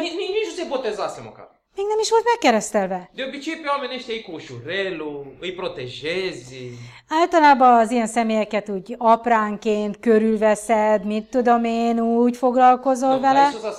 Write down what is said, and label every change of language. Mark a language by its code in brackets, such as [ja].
[hu] Még nem [ro] se botezase măcar. [hu] Még nem is volt megkeresztelve. [ro] De obicei pe oamenii ăștia îi cu ușurelu, îi protejezi. [hu] Általában az ilyen személyeket úgy apránként körülveszed, mit tudom én, úgy foglalkozol vele.